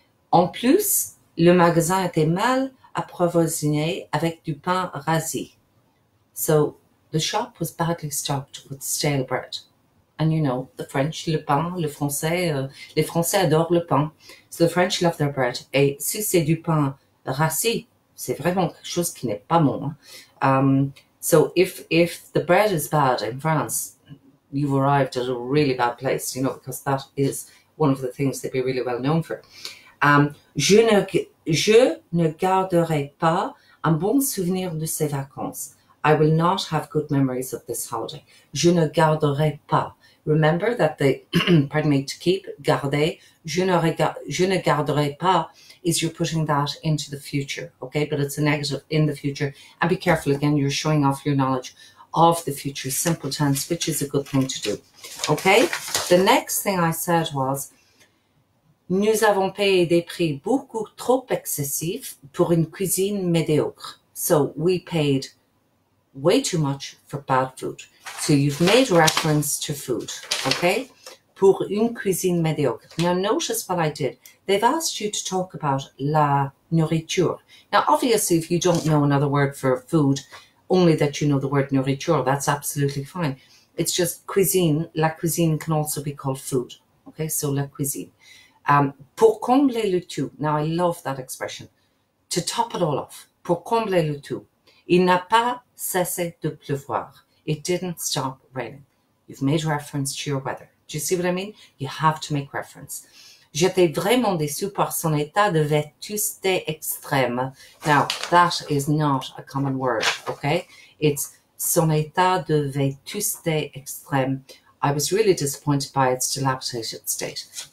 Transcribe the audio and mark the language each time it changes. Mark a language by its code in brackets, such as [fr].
[fr] En plus, le magasin était mal approvisionné avec du pain rasi. [en] So the shop was badly stocked with stale bread. And you know, the French, [fr] le pain, le français, les Français adorent le pain. [en] So the French love their bread. [fr] Et si c'est du pain rasi, c'est vraiment quelque chose qui n'est pas bon. [en] So if the bread is bad in France, you've arrived at a really bad place, because that is one of the things they'd be really well known for. [fr] Je ne garderai pas un bon souvenir de ces vacances. [en] I will not have good memories of this holiday. [fr] Je ne garderai pas. [en] Remember that pardon me, to keep, garder, [fr] je ne garderai pas, [en] is you're putting that into the future, okay? But it's a negative in the future. And be careful again, you're showing off your knowledge of the future simple tense, which is a good thing to do, okay? The next thing I said was, [fr] Nous avons payé des prix beaucoup trop excessifs pour une cuisine médiocre. [en] So we paid way too much for bad food. So you've made reference to food, okay? [fr] Pour une cuisine médiocre. [en] Now notice what I did. They've asked you to talk about la nourriture. Now obviously, if you don't know another word for food, only that you know the word nourriture, that's absolutely fine. It's just cuisine. La cuisine can also be called food. Okay, so la cuisine. [fr] Pour combler le tout. [en] Now I love that expression. To top it all off, [fr] pour combler le tout. Il n'a pas cessé de pleuvoir. [en] It didn't stop raining. You've made reference to your weather. Do you see what I mean? You have to make reference. [fr] J'étais vraiment déçu par son état de vétusté extrême. [en] Now, that is not a common word, okay? It's [fr] son état de vétusté extrême. [en] I was really disappointed by its dilapidated state.